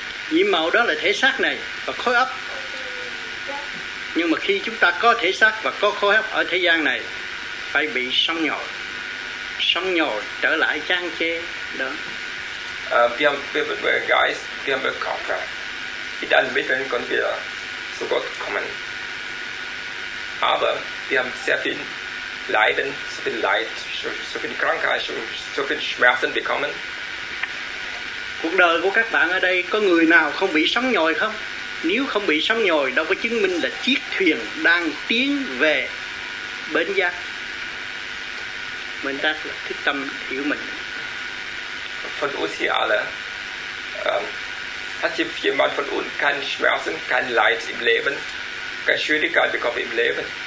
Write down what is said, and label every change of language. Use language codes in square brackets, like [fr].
[vi] Nhiệm màu đó là thể xác này và khối óc. Nhưng mà khi chúng ta có thể xác và có khối óc ở thế gian này, phải bị sóng nhồi. Sóng nhồi trở lại trang chê đó. [de] Wir haben Geist, wir haben Körper. Mit allen Mitteln können wir zu Gott kommen. Aber wir haben sehr viel Leiden, so viel Leid, so viel Krankheit, so viel Schmerzen bekommen. [vi] Cuộc đời của các bạn ở đây có người nào không bị sóng nhồi không? Nếu không bị sóng nhồi, đâu có chứng minh là chiếc thuyền đang tiến về bến giác. Mình đang thích tâm hiểu mình. [de] Von uns hier alle hat jemand von uns keine Schmerzen, kein Leid im Leben, keine Schwierigkeit bekommen im Leben.